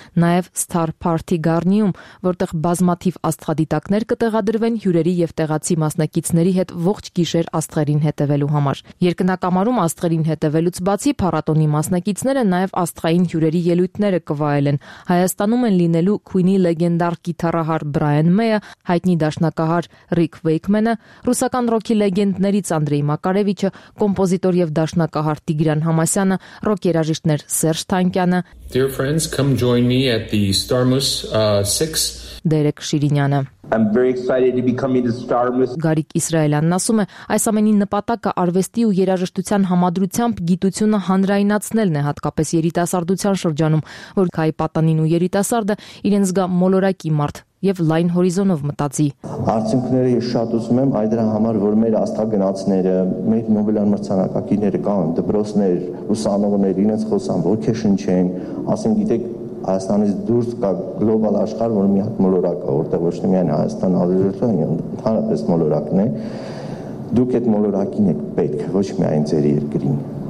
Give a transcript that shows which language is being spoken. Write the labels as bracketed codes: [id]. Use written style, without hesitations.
[hy] նաև Star Party Garni-ում, որտեղ բազմաթիվ աստղադիտակներ կտեղադրվեն հյուրերի և տեղացի մասնակիցների հետ ողջ գիշեր աստղերին հետևելու համար։ Երկնակամարում աստղերին հետևելուց բացի փառատոնի մասնակիցները նաև աստղային հյուրերի ելույթները կվայելեն։ Հայաստանում են լինելու Քուինի լեգենդար գիտարահար Բրայան Մեյը, հայտնի դաշնակահար Ռիք Վեյքմենը, ռուսական ռոքի լեգենդներից Անդրեյ Մակարևիչը, կոմպոզիտոր և դաշնակահար Տիգրան Համասյանը, ռոք երաժիշտներ Սերժ Թանկյանը, [en] Dear friends, come join me at the Star Muse 6. [hy] Դերեկ Շիրինյանը. [en] I'm very excited to be coming to Star Muse. [hy] Գարիկ Իսրայելյանն ասում է, այս ամենի նպատակը արվեստի ու երաժշտության համադրությամբ գիտությունը հանրայնացնելն է, հատկապես երիտասարդության շրջանում, որ քայ պատանին ու երիտասարդը իրեն զգա մոլորակի մարդ և լայն հորիզոնով մտածի։ Արդյունքները ես շատ ուզում եմ, այ դրա համար, որ մեր աստղագնացները, մեր Նոբելյան մրցանակակիրները կան, դպրոցներ, ուսանողներ, իրենց խոսան, ոգեշնչեն, ասեն, գիտեք, Հայաստանից դուրս կա գլոբալ աշխարհ, որ մի հատ մոլորակ է, որտեղ ոչ միայն Հայաստան ազգությունն է, ընդհանրապես մոլորակն է, դուք այդ մոլորակին եք պետք, ոչ միայն ձեր երկրին։